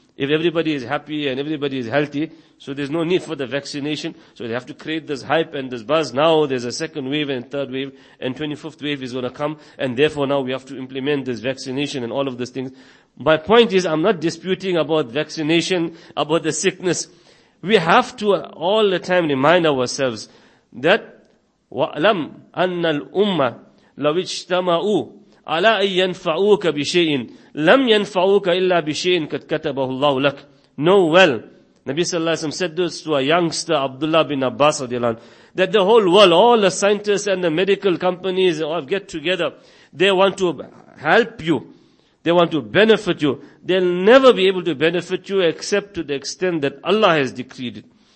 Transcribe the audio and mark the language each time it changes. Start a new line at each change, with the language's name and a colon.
English: If everybody is happy and everybody is healthy, so there's no need for the vaccination. So they have to create this hype and this buzz. Now there's a second wave and third wave, and 25th wave is going to come. And therefore now we have to implement this vaccination and all of these things. My point is, I'm not disputing about vaccination, about the sickness. We have to all the time remind ourselves that
Arabic: وَأَلَمْ أَنَّ الْأُمَّةِ لَوِ اجْتَمَعُوا عَلَىٰ أَن يَنْفَعُوكَ بِشَيْءٍ لَمْ يَنْفَعُوكَ إِلَّا بِشَيْءٍ قَدْ كَتَبَهُ اللَّهُ لَكَ.
English: Know well, Nabi sallallahu alayhi wa sallam said this to a youngster, Abdullah bin Abbas radiallahu anhu, that the whole world, all the scientists and the medical companies all get together, they want to help you, they want to benefit you. They'll never be able to benefit you except to the extent that Allah has decreed it.